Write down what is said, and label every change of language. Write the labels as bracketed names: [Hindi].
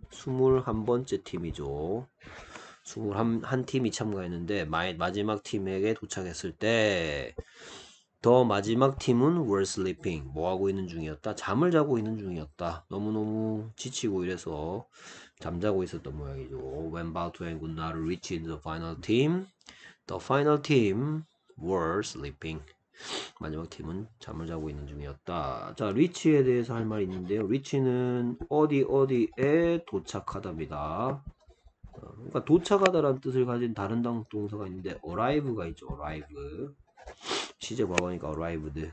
[Korean] 21번째 팀이죠. 한 팀이 참가했는데 마지막 팀에게 도착했을 때더 마지막 팀은 [English] were sleeping. [Korean] 뭐 하고 있는 중이었다? 잠을 자고 있는 중이었다. 너무너무 지치고 이래서 잠자고 있었던 모양이죠. [English] When Balto and Gunnar reached the final team were sleeping. [Korean] 마지막 팀은 잠을 자고 있는 중이었다. 자, 리치에 대해서 할 말이 있는데요. 리치는 어디 어디에 도착하답니다. 그러니까 도착하다라는 뜻을 가진 다른 동사가 있는데 arrive가 있죠. arrive 시제 과거니까 arrived.